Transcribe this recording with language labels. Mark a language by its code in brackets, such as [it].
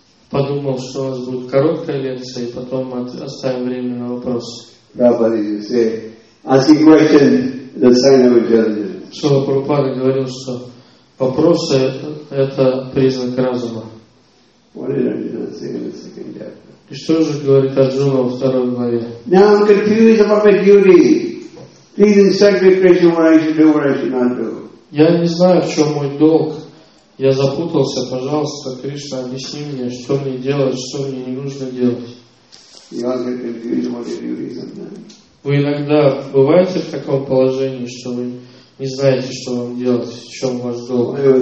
[ru] Подумал, что у нас будет короткая лекция, и потом мы оставим время на вопросы. [en] Prabhupada used to say, asking questions is a sign of intelligence. [ru] Шрила Прабхупада говорил, что вопросы — это признак разума. [en] What did Arjuna say in the second chapter? [ru] И что же говорит Арджуна во второй главе? [en] Now I'm confused about my duty. Please instruct me, Krishna, what I should do, what I should not do. [ru] Я не знаю, в чем мой долг. Я запутался, пожалуйста, Кришна, объясни мне, что мне делать, что мне не нужно делать. Вы иногда бываете в таком положении, что вы не знаете, что вам делать, в чем ваш долг?